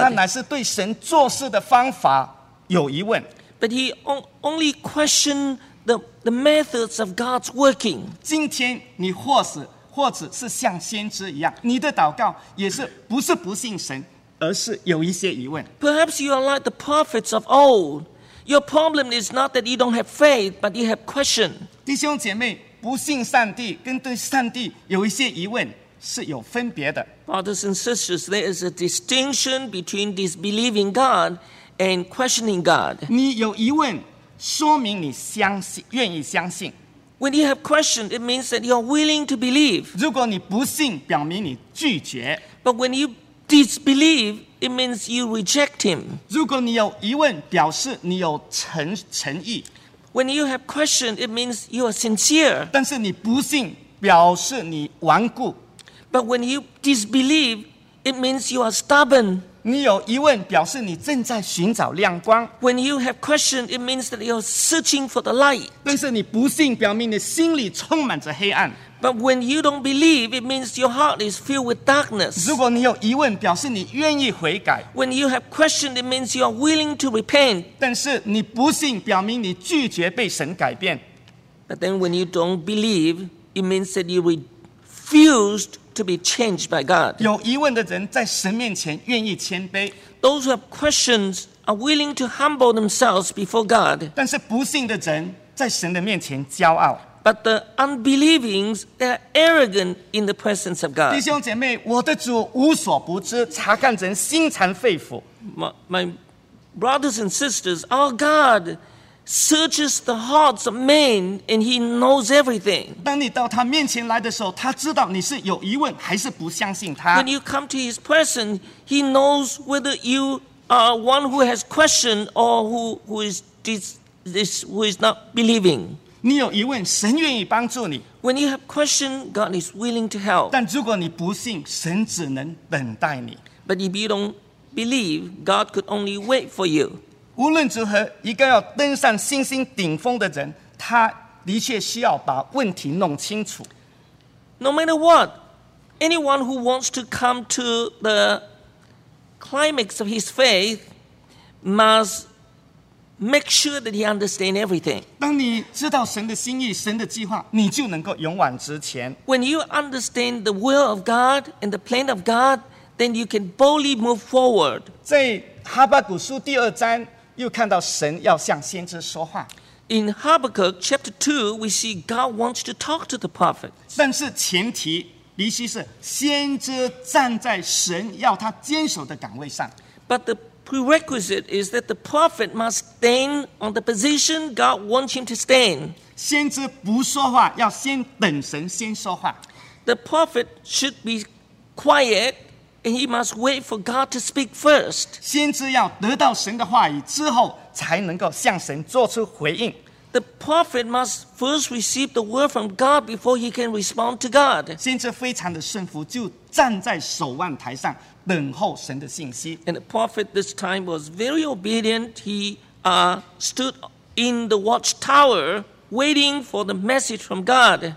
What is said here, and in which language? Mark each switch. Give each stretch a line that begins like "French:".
Chinese: 他乃是对神做事的方法有疑问。
English: But he only questioned the methods of God's working.
Chinese: 今天你或者是像先知一样，你的祷告也是不是不信神，而是有一些疑问。
English: Perhaps you are like the prophets of old. Your problem is not that you don't have faith, but you have question.
Chinese: 弟兄姐妹，不信上帝跟对上帝有一些疑问是有分别的。
English: Brothers and sisters, there is a distinction between disbelieving God and questioning God.
Chinese: 你有疑问，说明你相信，愿意相信。
English: When you have questions, it means that you are willing to believe.
Chinese: 如果你不信，表明你拒绝。
English: But when you disbelieve, it means you reject him.
Chinese: 如果你有疑问，表示你有诚意。
English: When you have questions, it means you are sincere.
Chinese: 但是你不信，表示你顽固。
English: But when you disbelieve, it means you are stubborn.
Chinese: 你有疑问，表示你正在寻找亮光。
English: When you have questions, it means that you are searching for the light.
Chinese: 但是你不信，表明你心里充满着黑暗。
English: But when you don't believe, it means your heart is filled with darkness.
Chinese: 如果你有疑问，表示你愿意悔改。
English: When you have questions, it means you are willing to repent.
Chinese: 但是你不信，表明你拒绝被神改变。
English: But then when you don't believe, it means that you refused to be changed by God.
Chinese: 有疑问的人在神面前愿意谦卑。
English: Those who have questions are willing to humble themselves before God.
Chinese: 但是不信的人在神的面前骄傲。
English: But the unbelieving, they are arrogant in the presence of God.
Chinese: 弟兄姐妹，我的主无所不知，查看人心肠肺腑。
English: My brothers and sisters, our God searches the hearts of men, and He knows everything.
Chinese: 当你到他面前来的时候，他知道你是有疑问还是不相信他。
English: When you come to His presence, He knows whether you are one who has question or who is not believing.
Chinese: 你有疑问，神愿意帮助你。
English: When you have question, God is willing to help.
Chinese: 但如果你不信，神只能等待你。
English: But if you don't believe, God could only wait for you.
Chinese: 无论如何，一个要登上信心顶峰的人，他的确需要把问题弄清楚。
English: No matter what, anyone who wants to come to the climax of his faith must make sure that he understands everything.
Chinese: 当你知道神的心意、神的计划，你就能够勇往直前。
English: When you understand the will of God and the plan of God, then you can boldly move forward.
Chinese: 在哈巴谷书第二章。又看到神要向先知说话。
English: In Habakkuk chapter 2, we see God wants to talk to the prophet.
Chinese: 但是前提必须是先知站在神要他坚守的岗位上。
English: But the prerequisite is that the prophet must stand on the position God wants him to stand.
Chinese: 先知不说话，要先等神先说话。
English: The prophet should be quiet. And he must wait for God to speak first.
Chinese: 先知要得到神的话语之后，才能够向神做出回应。
English: The prophet must first receive the word from God before he can respond to God.
Chinese: 先知非常的顺服，就站在守望台上等候神的信息。
English: And the prophet this time was very obedient. He stood in the watchtower waiting for the message from God.